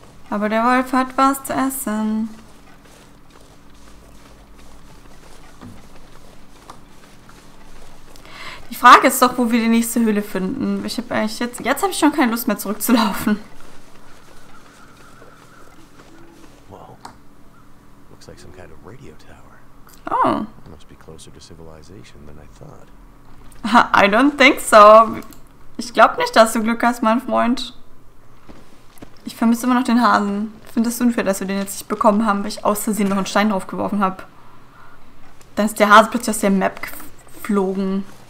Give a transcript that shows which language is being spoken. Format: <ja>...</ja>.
<de>Aber der Wolf hat was zu essen. Die Frage ist doch, wo wir die nächste Höhle finden. Ich habe eigentlich jetzt habe ich schon keine Lust mehr zurückzulaufen.</de> <en>Looks like some kind of radio tower. Oh. It must be closer to civilization than I thought. I don't think so.</en> <de>Ich glaube nicht, dass du Glück hast, mein Freund. Ich vermisse immer noch den Hasen. Ich finde es unfair, dass wir den jetzt nicht bekommen haben, weil ich aus Versehen noch einen Stein draufgeworfen habe. Dann ist der Hase plötzlich aus der Map geflogen.</de>